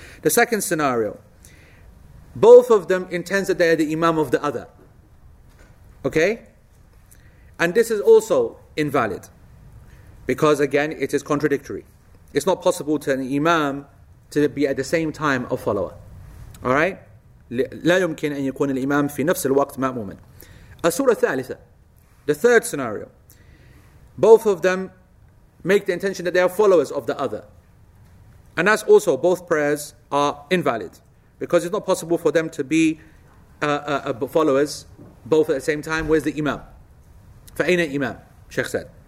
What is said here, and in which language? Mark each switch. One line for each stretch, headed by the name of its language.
English: The second scenario, both of them intends that they are the imam of the other. Okay? And this is also invalid. Because again, it is contradictory. It's not possible to an imam to be at the same time a follower. All right?
Arabic: لا يمكن أن يكون الإمام في نفس الوقت مأموما. السورة الثالثة.
English: The third scenario. Both of them make the intention that they are followers of the other. And that's also, both prayers are invalid. Because it's not possible for them to be followers both at the same time. Where's the imam?
Arabic: فأين الإمام?
English: Sheikh said.